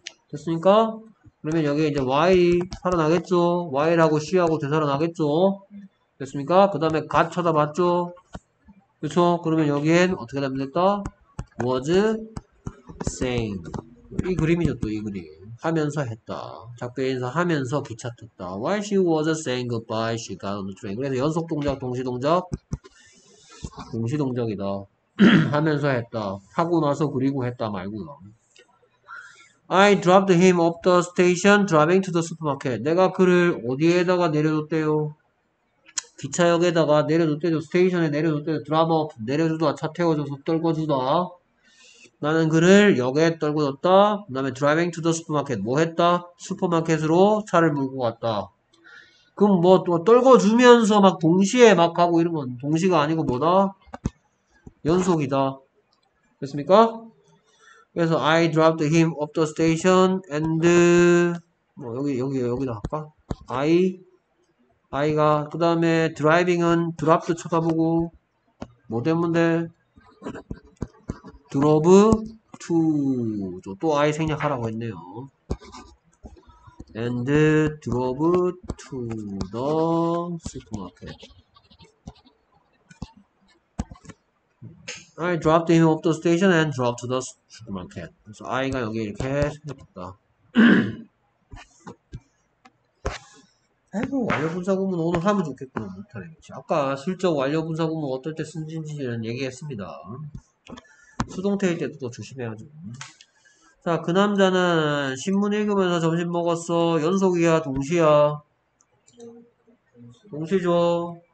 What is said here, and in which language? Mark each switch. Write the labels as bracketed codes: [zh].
[ko] 됐습니까? 그러면 여기 이제 while 살아나겠죠. while하고 she하고 되살아나겠죠. 됐습니까? 그 다음에 got 찾아봤죠. 그렇죠? 그러면 여기엔 어떻게 되면 됐다? [en] was saying. [ko] 이 그림이죠. 또 이 그림. 하면서 했다. 작별인사 하면서 기차 탔다. [en] While she was saying goodbye, she got on the train. [ko] 그래서 연속 동작, 동시 동작, 동시 동작이다. 하면서 했다. 하고 나서 그리고 했다 말고요. [en] I dropped him off the station, driving to the supermarket. [ko] 내가 그를 어디에다가 내려줬대요? 기차역에다가 내려줬대요. 스테이션에 내려줬대요. drop off 내려주다, 차 태워줘서 떨궈주다. 나는 그를 역에 떨궈뒀다. 그 다음에 [en] driving to the supermarket. [ko] 뭐 했다? 슈퍼마켓으로 차를 몰고 갔다. 그럼 뭐 또 떨궈주면서 막 동시에 막 가고 이런 건 동시가 아니고 뭐다? 연속이다. 됐습니까? 그래서 [en] I dropped him off the station and [ko] 뭐 여기다 할까? I가 그 다음에 driving은 dropped 쳐다보고 뭐 됐는데? drove to 또 아이 생략하라고 했네요. [en] and drove to the supermarket. I dropped him off the station and drove to the supermarket. [ko] 그래서 아이가 여기 이렇게 생겼다. 아이고 완료분사구문 오늘 하면 좋겠구나. 못하네. 아까 슬쩍 완료분사구문 어떨 때 쓴지는 얘기했습니다. 수동태일 때도 더 조심해야죠. 자, 그 남자는 신문 읽으면서 점심 먹었어. 연속이야, 동시야? 동시죠.